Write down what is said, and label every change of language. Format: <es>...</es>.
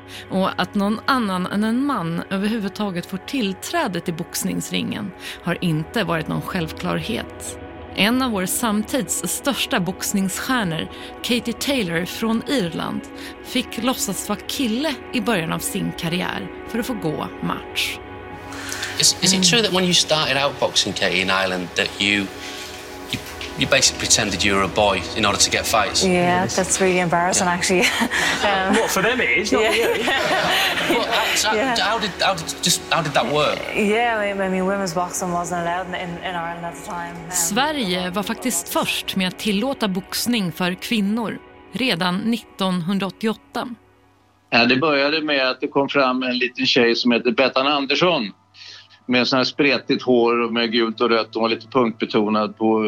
<sv>Och att någon annan än en man överhuvudtaget får tillträde till boxningsringen har inte varit någon självklarhet. En av vår samtids största boxningsstjärnor, Katie Taylor från Irland, fick låtsas vara kille i början av sin karriär för att få gå match.</sv> <en>Is it true that when you started out boxing, Katie, in Ireland, that you basically pretended you were a boy in order to get fights? Yeah, that's really embarrassing, yeah. Actually. What, for them it is, not really. How did that work? Yeah, I mean, women's boxing wasn't allowed in Ireland at the time.</en> <sv>Sverige var faktiskt först med att tillåta boxning för kvinnor redan 1988. Ja, det började med att det kom fram en liten tjej som heter Bettan Andersson. Med sån här spretigt hår och med gult och rött. Hon var lite punktbetonad på...</sv>